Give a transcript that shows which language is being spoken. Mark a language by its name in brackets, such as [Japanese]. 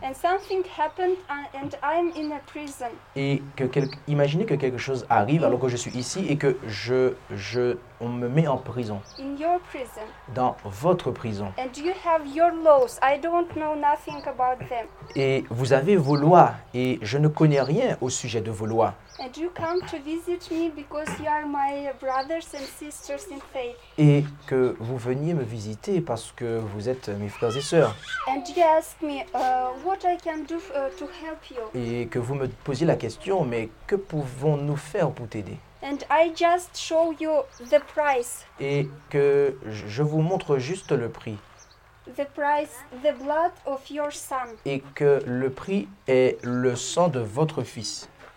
[English] And something happened and I'm in a prison. [French] Et que imaginez que quelque chose arrive alors que je suis ici et que on me met en prison. [English] In your prison. [French] Dans votre prison. [English] And you have your laws. I don't know nothing about them. [French] Et vous avez vos lois et je ne connais rien au sujet de vos lois. [English] And you come to visit me because you are my brothers and sisters in faith. [French] Et que vous veniez me visiter parce que vous êtes mes frères et sœurs. [English] And you ask me what I can do to help you. [French] Et que vous me posiez la question, mais que pouvons-nous faire pour t'aider? [English] And I just show you the price. [French] Et que je vous montre juste le prix. [English] The price, the blood of your son. [French] Et que le prix est le sang de votre fils.